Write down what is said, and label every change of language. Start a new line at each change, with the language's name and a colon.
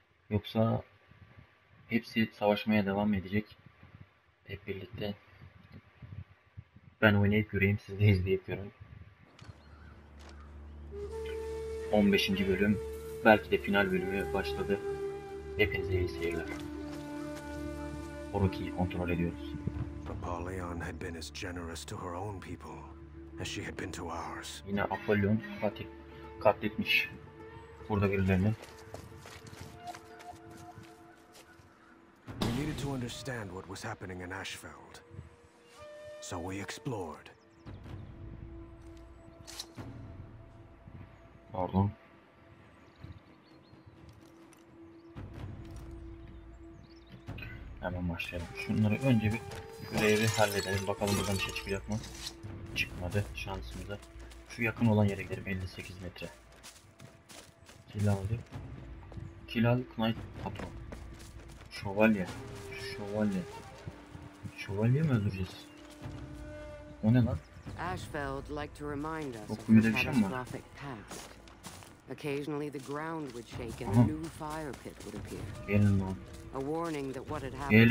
Turkish: Yoksa hepsi savaşmaya devam edecek. Hep birlikte. Ben oynayıp göreyim, siz de izleyip görün. 15. bölüm, belki de final bölümü başladı. Hepinize iyi seyirler. Oroki'yi kontrol ediyoruz.
English: Apollyon had been as generous to her own people as she had been to ours.
Turkish: Yine Apollyon katletmiş burada birilerini.
English: To understand what was happening in Ashfeld, so we explored.
Turkish: Pardon. Hemen başlayalım. Şunları önce bir görevi halledelim. Bakalım buradan bir şey çıkacak mı? Çıkmadı. Şansımıza. Şu yakın olan yere gidelim. 58 metre. Kilaldı. Kilal Knight Patron. Şövalye. Şövalye. Şövalye mi öldüreceğiz? O ne lan?
English: Ashfeld like to remind us of the catastrophic past. Occasionally the ground would shake and a new fire pit would appear.
Turkish: Gelin lan.
English: A warning that what had happened